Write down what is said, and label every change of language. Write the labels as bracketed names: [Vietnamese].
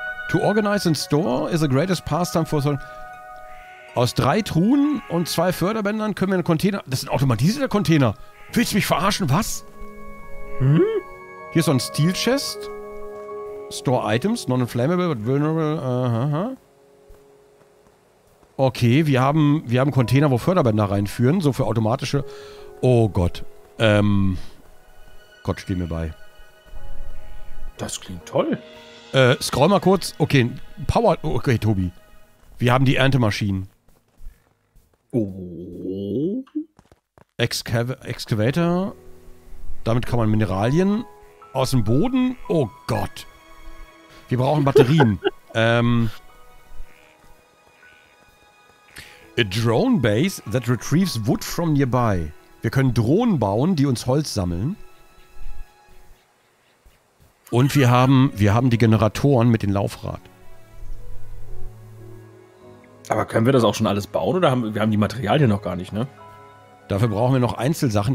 [English] To organize and store is the greatest pastime for... [German] Aus drei Truhen und zwei Förderbändern können wir einen Container... Das ist ein automatisierter Container! Willst du mich verarschen? Was? Hm? Hier ist so ein Steel Chest. [English] Store Items, non-inflammable, but vulnerable, [German] Okay, wir haben Container, wo Förderbänder reinführen, so für automatische... Oh Gott. Gott, steh mir bei. Das klingt toll. Scroll mal kurz. Okay, Power... Okay, Tobi. Wir haben die Erntemaschinen. Oh. Excavator. Damit kann man Mineralien aus dem Boden... Oh Gott. Wir brauchen Batterien. [English] A drone base that retrieves wood from nearby. [German] Wir können Drohnen bauen, die uns Holz sammeln. Und wir haben die Generatoren mit dem Laufrad. Aber können wir das auch schon alles bauen oder haben wir die Materialien noch gar nicht, ne? Dafür brauchen wir noch Einzelsachen.